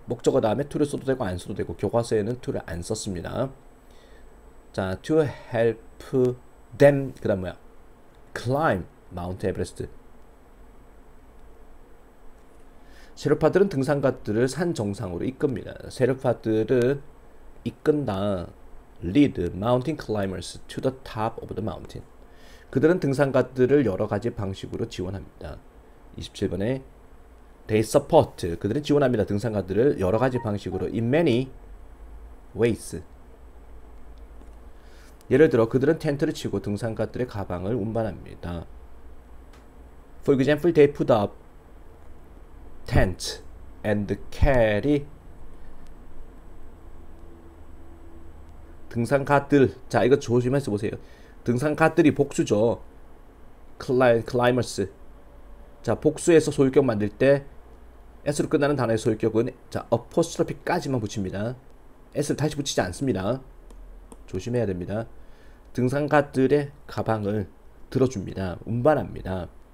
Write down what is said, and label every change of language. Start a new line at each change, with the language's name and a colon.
Korean: 목적어 다음에 to를 써도 되고 안 써도 되고 교과서에는 to를 안 썼습니다.
English: 자, to help them.
Korean: 그 다음 뭐야?
English: climb Mount Everest.
Korean: 세르파들은 등산가들을 산 정상으로 이끕니다. 세르파들을 이끈다.
English: lead mountain climbers to the top of the mountain.
Korean: 그들은 등산가들을 여러 가지 방식으로 지원합니다. 27번에
English: they support.
Korean: 그들은 지원합니다. 등산가들을 여러 가지 방식으로
English: in many ways.
Korean: 예를 들어 그들은 텐트를 치고 등산가들의 가방을 운반합니다.
English: For example, they put up tents and carry
Korean: 등산가들. 자, 이거 조심해서 보세요. 등산가들이 복수죠. climbers. 자, 복수에서 소유격 만들 때 s로 끝나는 단어의 소유격은 자, apostrophe까지만 붙입니다. s를 다시 붙이지 않습니다. 조심해야 됩니다. 등산가들의 가방을 들어줍니다. 운반합니다.